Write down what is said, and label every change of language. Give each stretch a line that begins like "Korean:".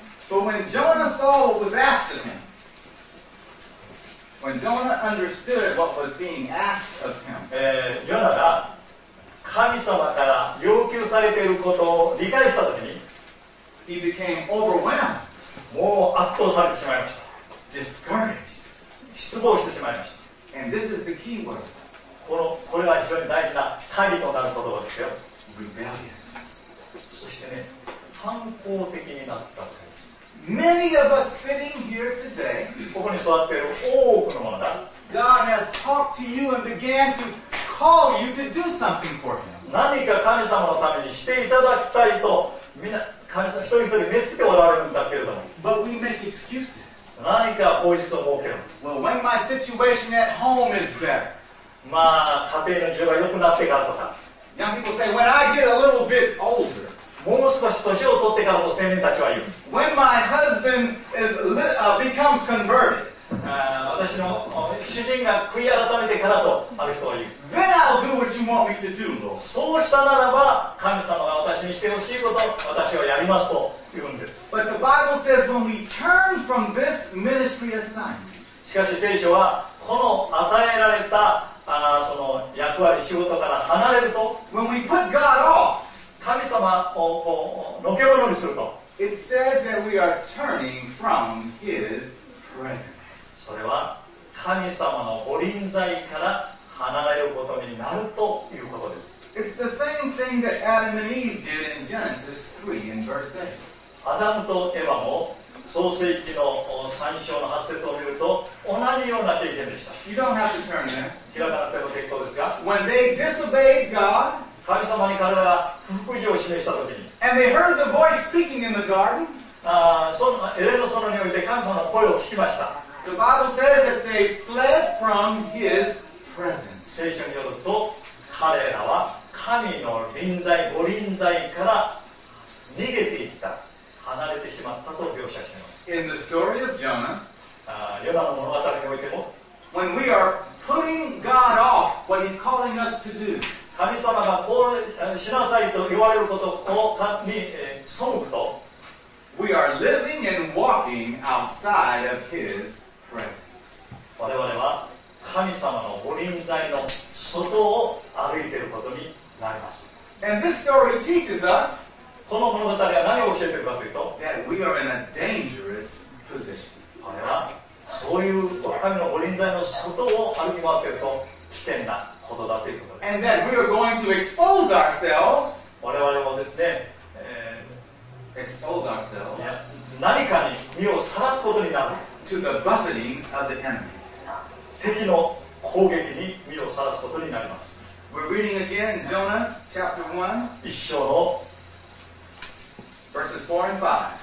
English: But when Jonah saw what was asked of him, when Jonah understood what was being asked of him,
Japanese: Jonah が神様から要求されていることを理解したときに、
English: he became overwhelmed.
Japanese: もう圧倒されてしまいました。
English: Discouraged.
Japanese: 失望してしまいました。
English: And this is the key word.
Japanese: これが非常に大事な鍵となる言葉ですよ。
English: Rebellious.
Japanese: そしてね、反抗的になった。
English: Many of us sitting here today,
Japanese: ここに座っている多くの者だ。
English: God has talked to you and began to call you to do something for him.
Japanese: 何か神様のためにしていただきたいと、みんな、神様一人一人召しておられるんだけれども。
English: But we make excuses.
Japanese: 何か口実を設けるんです。
English: Well, when my situation at home is better.
Japanese: まあ、家庭の状況が良くなってからとか。
English: Young people say, when I get a little bit older.
Japanese: もう少し年を取ってからと青年たちは言う。
English: When my husband is becomes converted,
Japanese: 私の主人が悔い改めてからとある人は言う。
English: Then I'll do what you want me to do, Lord.
Japanese: そうしたならば、神様が私にしてほしいことを私はやりますと言うんです。
English: But the Bible says when we turn from this ministry assignment,
Japanese: しかし聖書は、この与えられたその役割、仕事から離れると、
English: when we put God off,
Japanese: 神様をこうのけものにすると。
English: It says that we are turning from His presence.
Japanese: それは神様の御臨在から離れることになるということです。
English: It's the same thing that Adam and Eve did in Genesis 3 and verse 8.
Japanese: アダムとエヴァも創世記の3章の8節を見ると同じような経験でした。
English: You don't have to turn there.
Japanese: 開かなくても結構ですが。
English: When they disobeyed God.
Japanese: 神様に彼らが不服従を示したときに、
English: And they heard the voice speaking in the garden.
Japanese: エデンの園において神様の声を聞きました。
English: The Bible says that they fled from His presence.
Japanese: 聖書によると、彼らは神の臨在、御臨在から逃げていった、離れてしまったと描写しています。
English: In the story of Jonah,
Japanese: ヨナの物語においても、
English: When we are putting God off what He's calling us to do.
Japanese: 神様がこうしなさいと言われることをこうに背くと
English: We are living and walking outside of His presence.
Japanese: 我々は神様の御臨在の外を歩いていることになります。
English: And this story teaches us
Japanese: この物語は何を教えているかというと
English: That we are in a dangerous position.
Japanese: 我々はそういう神の御臨在の外を歩き回っていると危険な。
English: And that we are going to expose ourselves.
Japanese: 我々もですね、
English: expose ourselves.
Japanese: 何かに身をさらすことになる。
English: To the buffetings of the enemy.
Japanese: 敵の攻撃に身をさらすことになります。
English: We're reading again Jonah chapter 1.
Japanese: 一章の
English: verses 4 and 5.